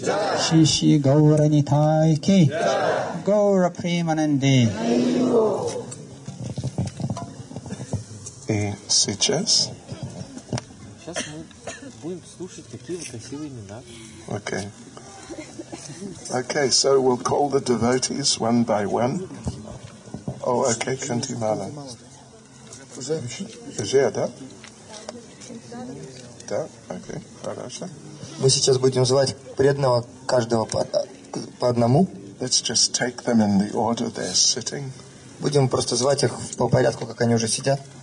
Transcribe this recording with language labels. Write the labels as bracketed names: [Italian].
[Russian] Джай! Шри Шри Гаура Нитай ки! Джай! Гаура Приманандэ! И сейчас? Сейчас мы будем слушать какие-то красивые имена. Окей. [English] Okay, so we'll call the devotees one by one. Oh, okay, Kunti Mala. [Russian] Уже, да? Да, окей, хорошо. Мы сейчас будем звать преданного каждого по одному. [English] Let's just take them in the order they're sitting. [Russian] Будем просто звать их по порядку, как они уже сидят.